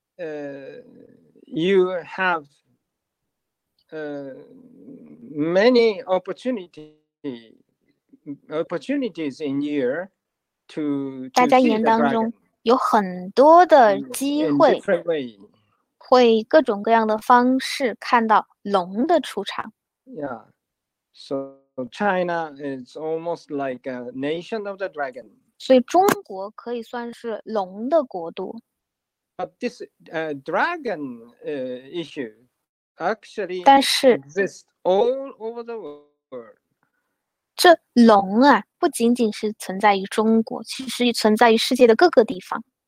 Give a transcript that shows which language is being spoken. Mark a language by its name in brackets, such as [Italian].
[English] You have many opportunities in year to see the dragon. [Chinese] 大家年当中有很多的机会，会各种各样的方式看到龙的出场。 [English] Yeah, so China is almost like a nation of the dragon. [Chinese] 所以中国可以算是龙的国度。 [English] But this dragon issue actually exists all over the world. [Chinese] 这龙啊，不仅仅是存在于中国，其实存在于世界的各个地方。